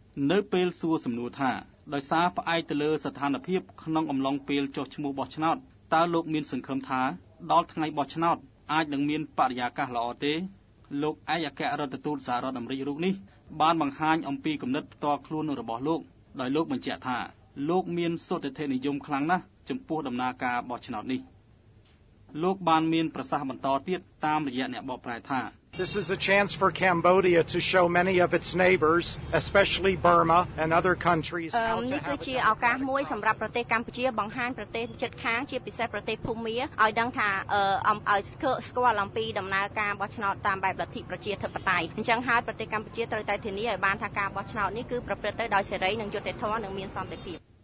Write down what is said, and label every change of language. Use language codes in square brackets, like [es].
[km] នៅពេលសួរសំណួរថាដោយសារផ្អែកទៅលើស្ថានភាពក្នុងអំឡុងពេលចោះឈ្មោះបោះឆ្នោតតើលោកមានសង្ឃឹមថាដល់ថ្ងៃបោះឆ្នោតអាចនឹងមានបរិយាកាសល្អទេលោកឯកអគ្គរដ្ឋទូតសហរដ្ឋអាមេរិករូបនេះបានបង្ហាញអំពីគំនិតផ្ទាល់ខ្លួនរបស់លោកដោយលោកបញ្ជាក់ថាលោកមានសុទ្ធិធិនិយមខ្លាំងណាស់ចំពោះដំណើរការបោះឆ្នោតនេះលោកបានមានប្រសាសន៍បន្តទៀតតាមរយៈអ្នកបកប្រែថា [en] This is a chance for Cambodia to show many of its neighbors, especially Burma and other countries how to [km] នេះគឺជាឱកាសមួយសម្រាប់ប្រទេសកម្ពុជាបង្ហាញប្រទេសជិតខាងជាពិសេសប្រទេសភូមាឲ្យដឹងថាឲ្យស្គាល់អំពីដំណើរការបោះឆ្នោតតាមបែបលទ្ធិប្រជាធិបតេយ្យអញ្ចឹងហើយប្រទេសកម្ពុជាត្រូវតែធានាឲ្យបានថាការបោះឆ្នោតនេះគឺប្រព្រឹត្តទៅដោយសេរីនិងយុត្តិធម៌និងមានសន្តិភាព